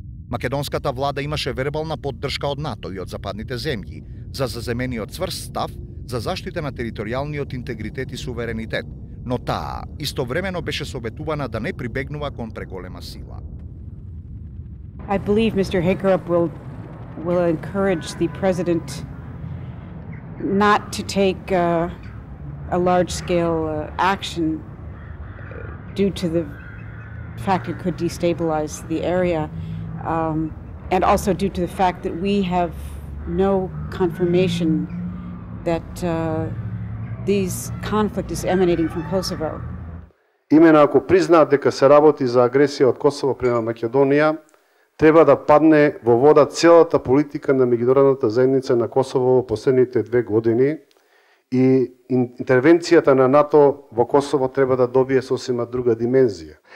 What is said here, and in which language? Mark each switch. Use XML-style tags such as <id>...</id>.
<mk>Македонската влада имаше вербална поддршка од НАТО и од западните земји за заземениот цврст став за заштита на територијалниот интегритет и суверенитет, но таа истовремено беше советувана да не прибегнува кон преголема сила.</mk> <en>I believe Mr. Hickerup will encourage the president not to take a large scale action due to the fact it could destabilize the area. And also due to the fact that we have no confirmation that these conflict is emanating from Kosovo.</en> <mk>Имено ако признаат дека се работи за агресија од Косово према Македонија, треба да падне во вода целата политика на меѓународната заедница на Косово во последните две години и интервенцијата на НАТО во Косово треба да добие сосема друга димензија.</mk>